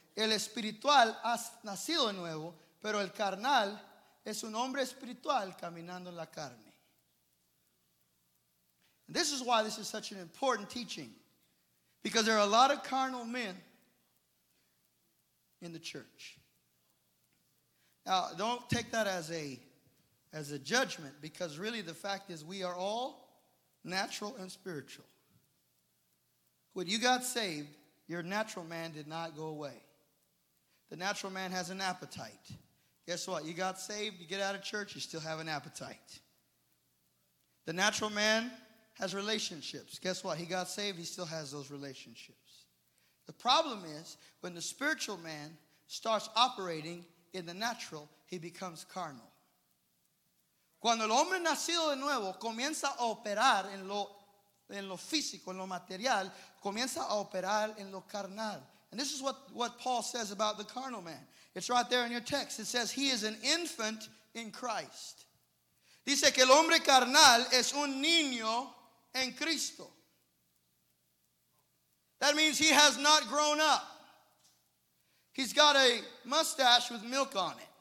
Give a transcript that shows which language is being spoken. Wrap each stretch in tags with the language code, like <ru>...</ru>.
<es>El espiritual ha nacido de nuevo, pero el carnal es un hombre espiritual caminando en la carne.</es> <en>And this is why this is such an important teaching. Because there are a lot of carnal men in the church. Now, don't take that as a judgment, because really the fact is we are all natural and spiritual. When you got saved, your natural man did not go away. The natural man has an appetite. Guess what? You got saved, you get out of church, you still have an appetite. The natural man has relationships. Guess what? He got saved, he still has those relationships. The problem is, when the spiritual man starts operating in the natural, he becomes carnal.</en> <es>Cuando el hombre nacido de nuevo comienza a operar en lo físico, en lo material, comienza a operar en lo carnal.</es> <en>And this is what Paul says about the carnal man. It's right there in your text. It says, he is an infant in Christ.</en> <es>Dice que el hombre carnal es un niño en Cristo.</es> <en>That means he has not grown up. He's got a mustache with milk on it.</en>